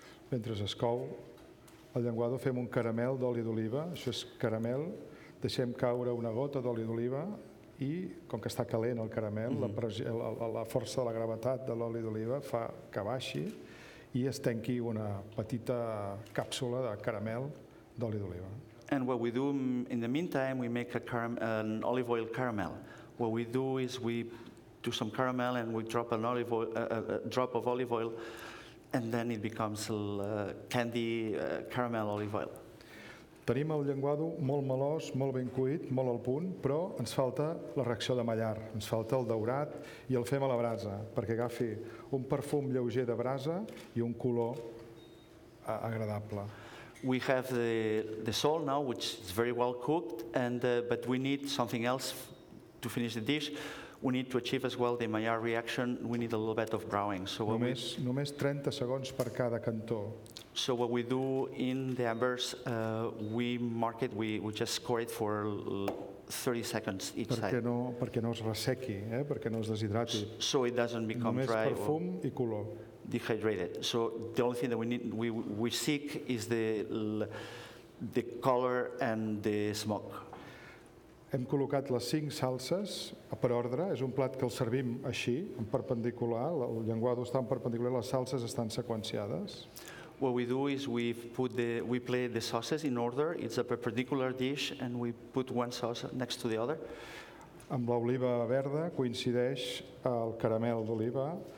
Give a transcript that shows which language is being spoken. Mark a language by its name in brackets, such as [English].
[Catalan] Mentre es cou el llenguado fem un caramel d'oli d'oliva, això és caramel, deixem caure una gota d'oli d'oliva I com que està calent el caramel, mm-hmm. la força de la gravetat de l'oli d'oliva fa que baixi I es tanqui una petita càpsula de caramel d'oli d'oliva. [English] And what we do in the meantime, we make an olive oil caramel. What we do is we do some caramel and we drop an olive oil, a drop of olive oil, and then it becomes a candy caramel olive oil. [Catalan] Tenim el llenguado molt melós, molt ben cuit, molt al punt, però ens falta la reacció de Maillard, ens falta el daurat I el fem a la brasa perquè agafi un perfum lleuger de brasa I un color agradable. [English] We have the sole now, which is very well cooked, but we need something else to finish the dish. We need to achieve as well the Maillard reaction. We need a little bit of browning. So [Catalan] només 30 segons per cada cantó. [English] So what we do in the embers, we mark it, we just score it for 30 seconds each [Catalan] perquè [English] side. [Catalan] Perquè no es ressequi, perquè no es deshidrati. [English] So it doesn't become [Catalan] només [English] dry. [Catalan] Només perfum I color. [English] Dehydrated. So the only thing that we seek is the color and the smoke. [Catalan] Hem col·locat les 5 salses per ordre. És un plat que el servim així, en perpendicular. El llenguado està en perpendicular. Les salses estan seqüenciades. [English] What we do is we play the sauces in order. It's a perpendicular dish, and we put one sauce next to the other. [Catalan] Amb l'oliva verda coincideix el caramel d'oliva.